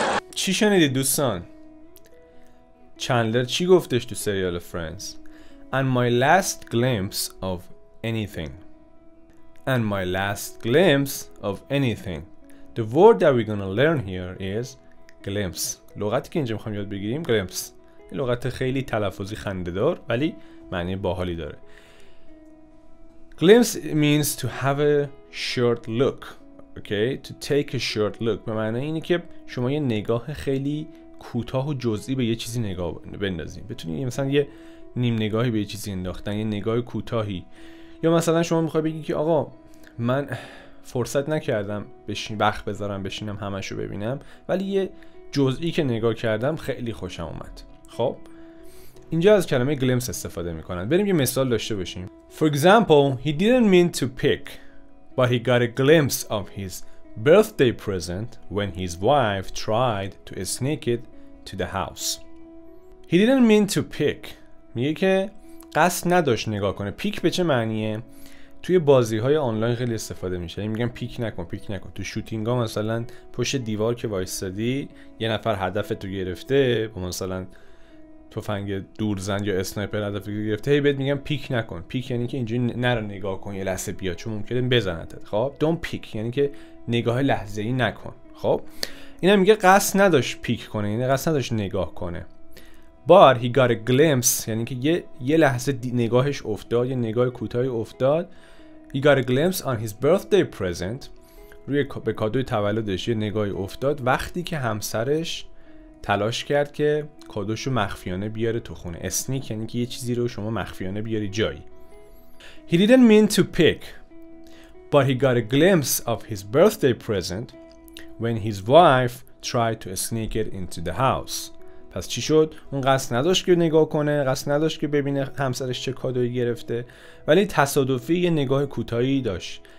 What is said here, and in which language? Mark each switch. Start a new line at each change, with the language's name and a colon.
Persian: چی شنیدید دوستان؟ چندلر چی گفتش تو سریال فرندز؟
English: And my last glimpse of anything. And my last glimpse of anything. The word that we're gonna learn here is glimpse.
Persian: لغتی که اینجا میخوام یاد بگیریم glimpse. این لغت خیلی تلفظی خنده‌دار ولی معنی باحالی داره.
English: Glimpse means to have a short look. Okay, to take a short look
Persian: به معنی اینه که شما یه نگاه خیلی کوتاه و جزئی به یه چیزی نگاه بندازید. بتونید مثلا یه نیم نگاهی به یه چیزی انداختن، یه نگاه کوتاهی. یا مثلا شما میخوای بگی که آقا من فرصت نکردم بشین وقت بذارم بشینم همشو ببینم، ولی یه جزئی که نگاه کردم خیلی خوشم اومد. خب اینجا از کلمه گلیمس استفاده میکنن. بریم یه مثال داشته باشیم.
English: For example, he didn't mean to pick, but he got a glimpse of his birthday present when his wife tried to sneak it to the house. He didn't mean to pick.
Persian: میگه که قصد نداشت نگاه کنه. پیک به چه معنیه؟ توی بازی‌های آنلاین خیلی استفاده میشه. میگن پیک نکن، پیک نکن. تو شوتینگ ها مثلا پشت دیوار که وایستادی، یه نفر هدفتو گرفته، مثلا تفنگ دورزن یا اسنایپر هدف گرفته، هی بهت میگم پیک نکن. پیک یعنی که اینجوری نرو نگاه کن، یه لحظه بیا چون ممکنه بزنتت. خب
English: don't pick
Persian: یعنی که نگاه لحظه‌ای نکن. خب اینا میگه قصد نداشت پیک کنه، یعنی قصد نداشت نگاه کنه.
English: But he got a glimpse
Persian: یعنی که یه لحظه نگاهش افتاد، یه نگاه کوتاهی افتاد.
English: He got a glimpse on his birthday present
Persian: روی به کادوی تولدش یه نگاهی افتاد وقتی که همسرش تلاش کرد که کادوشو مخفیانه بیاره تو خونه. اسنیک یعنی که یه چیزی رو شما مخفیانه بیاری جایی.
English: He didn't mean to pick, but he got a glimpse of his birthday present when his wife tried to sneak it into the house.
Persian: پس چی شد؟ اون قصد نداشت که نگاه کنه، قصد نداشت که ببینه همسرش چه کادوی گرفته، ولی تصادفی یه نگاه کوتاهی داشت.